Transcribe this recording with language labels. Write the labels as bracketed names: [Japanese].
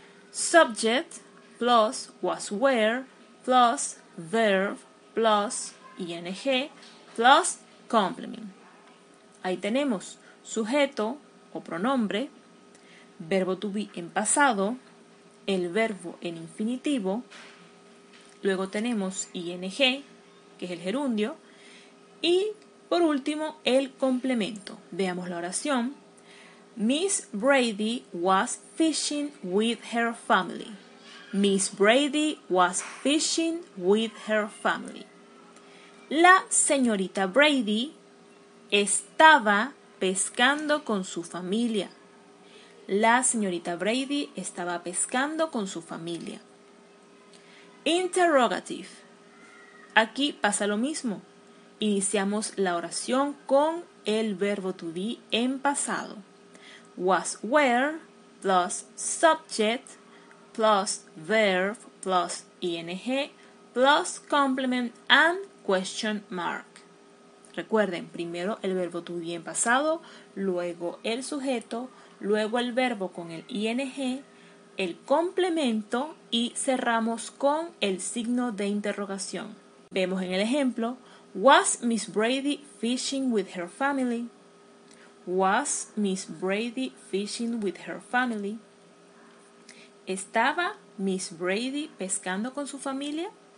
[English] Subject plus was were plus verb plus ing plus complement. [Spanish] Ahí tenemos sujeto o pronombre, verbo to be en pasado, el verbo en infinitivo, luego tenemos ing, que es el gerundio, y por último el complemento. Veamos la oración. [English] Miss Brady was fishing with her family. Miss Brady was fishing with her family. [Spanish] La señorita Brady estaba pescando con su familia. La señorita Brady estaba pescando con su familia. Interrogative. Aquí pasa lo mismo. Iniciamos la oración con el verbo to be en pasado. [English] Was were plus subject plus verb plus ing plus complement and question mark. [Spanish] Recuerden, primero el verbo to be en pasado, luego el sujeto, luego el verbo con el ing, el complemento y cerramos con el signo de interrogación. Vemos en el ejemplo, [English] was Miss Brady fishing with her family? Was Miss Brady fishing with her family? [Spanish] ¿Estaba Miss Brady pescando con su familia?